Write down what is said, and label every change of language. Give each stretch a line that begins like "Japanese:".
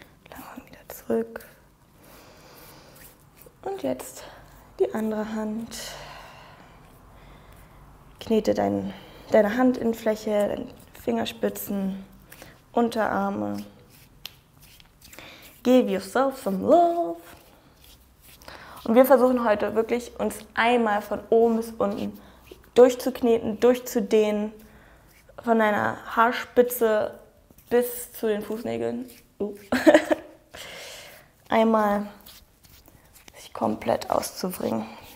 German: Langsam wieder zurück. Und jetzt die andere Hand. Knete deine Handinnenfläche, deine Fingerspitzen, Unterarme.
English: Give yourself some love.
German: Und wir versuchen heute wirklich, uns einmal von oben bis unten durchzukneten, durchzudehnen, von deiner Haarspitze bis zu den Fußnägeln. Einmal sich komplett auszubringen.